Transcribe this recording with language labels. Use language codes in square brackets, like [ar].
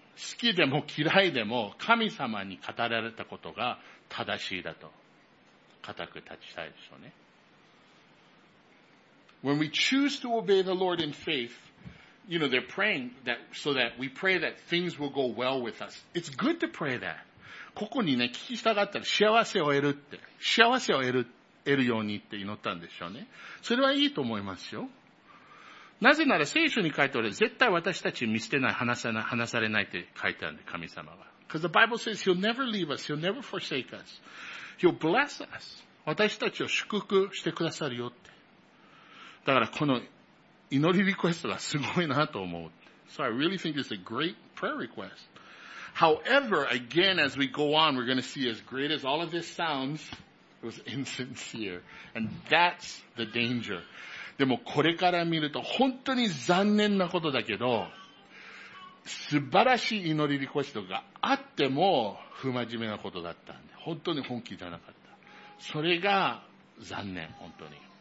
[ja] 好きでも嫌いでも神様に語られたことが正しいだと固く立ちたいですよね。 [en] When we choose to obey the Lord in faith, you know, they're praying that, so that we pray that things will go well with us. It's good to pray that. [ja] ここにね、聞き従ったら幸せを得るって。幸せを得るようにって祈ったんでしょうね。それはいいと思いますよ。なぜなら聖書に書いてある、絶対私たち見捨てない、話されないって書いてあるんで、神様は。 [en] Because the Bible says He'll never leave us, He'll never forsake us. He'll bless us. [ja] 私たちを祝福してくださるよって。だからこの祈りリクエストがすごいなと思う。 [en] So I really think it's a great prayer request. However, again, as we go on, we're going to see as great as all of this sounds, it was insincere. And that's the danger. [ja] でもこれから見ると本当に残念なことだけど、素晴らしい祈りリクエストがあっても不真面目なことだったんで、本当に本気じゃなかった。それが残念、本当に。